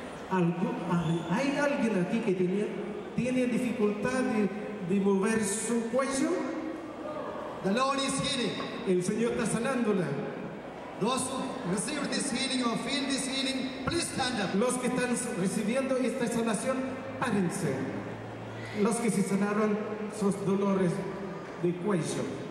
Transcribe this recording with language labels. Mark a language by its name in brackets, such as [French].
[Spanish] ¿Hay alguien aquí que tiene dificultad de mover su cuello? [English] The Lord is healing. [Spanish] El Señor está sanándola. [English] Those who receive this healing or feel this healing, please stand up. [Spanish] Los que están recibiendo esta sanación, párense. Los que se sanaron sus dolores de cuello.